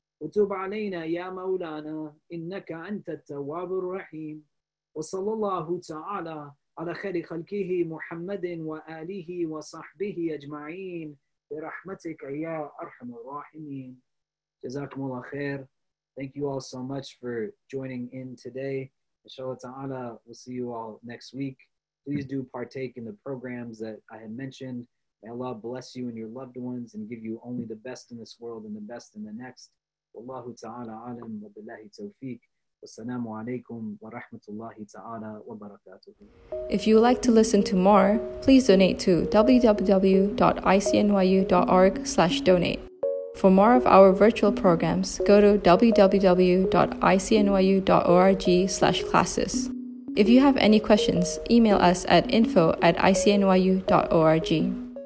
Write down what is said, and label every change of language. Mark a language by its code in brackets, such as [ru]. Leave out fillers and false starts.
[ar] وتوب علينا يا مولانا إنك أنت التواب الرحيم وصلى الله تعالى على خير خلقه محمد وآله وصحبه أجمعين برحمتك يا أرحم الراحمين. جزاكم الله خير. [en] Thank you all so much for joining in today. Inshallah ta'ala, we'll see you all next week. Please do partake in the programs that I have mentioned. May Allah bless you and your loved ones and give you only the best in this world and the best in the next. [ar] والله تعالى عالم وبالله توفيق والسلام عليكم ورحمة الله تعالى وبركاته. [en] If you would like to listen to more, please donate to www.icnyu.org/donate. For more of our virtual programs, go to www.icnyu.org/classes. If you have any questions, email us at info@icnyu.org.